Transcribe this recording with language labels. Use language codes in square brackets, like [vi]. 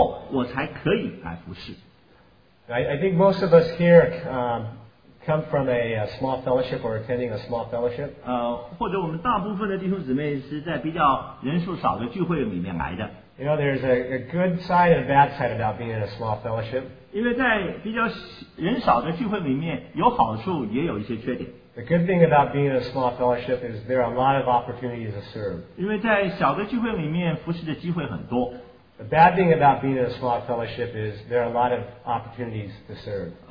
[zh] 我就是要这样把我一切属灵的生活都安排好了以后，我才可以来服侍。 [en] I think most of us here come from a small fellowship or attending a small fellowship. [zh] 或者我们大部分的弟兄姊妹是在比较人数少的聚会里面来的。 [en] You know, there's a good side and a bad side about being in a small fellowship. [zh] 因为在比较人少的聚会里面有好处也有一些缺点。 [en] The good thing about being in a small fellowship is there are a lot of opportunities to serve. [zh] 因为在小的聚会里面服侍的机会很多。 [en] The bad thing about being in a small fellowship is there are a lot of opportunities to serve.